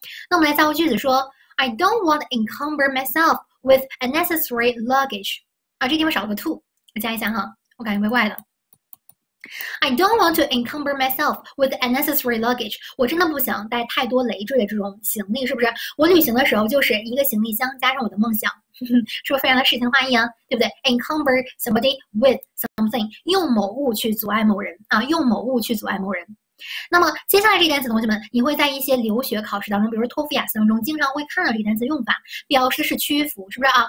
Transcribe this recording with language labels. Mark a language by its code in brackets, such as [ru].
[zh] 那我们来造个句子说： [en] I don't want to encumber myself with unnecessary luggage。 [zh] 啊，这地方少了个 to，我加一下哈，我感觉怪怪的。 [en] I don't want to encumber myself with unnecessary luggage。 [zh] 我真的不想带太多累赘的这种行李，是不是？我旅行的时候就是一个行李箱加上我的梦想，是不是非常的诗情画意啊？对不对？ [en] Encumber somebody with something， [zh] 用某物去阻碍某人啊，用某物去阻碍某人。那么接下来这个单词，同学们，你会在一些留学考试当中，比如说托福、雅思当中，经常会看到这个单词用法，表示是屈服，是不是啊？